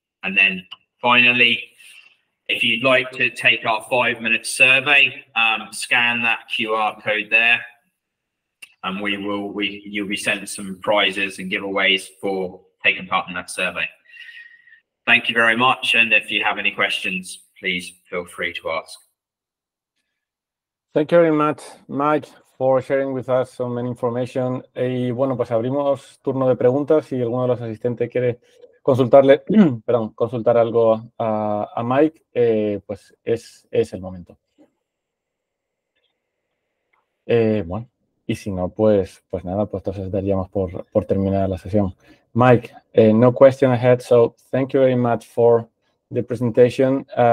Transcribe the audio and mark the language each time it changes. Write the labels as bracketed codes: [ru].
[en] And then finally, if you'd like to take our 5-minute survey, scan that QR code there, and you'll be sent some prizes and giveaways for taking part in that survey. Thank you very much. And if you have any questions, please feel free to ask. Thank you very much, Mike, for sharing with us so many information. [es] Y bueno, pues abrimos turno de preguntas. Si alguno de los asistentes quiere consultarle, perdón, consultar algo a Mike, pues es el momento. Bueno, y si no, pues nada, pues entonces daríamos por terminada la sesión. [en] Mike, no question ahead. So thank you very much for the presentation.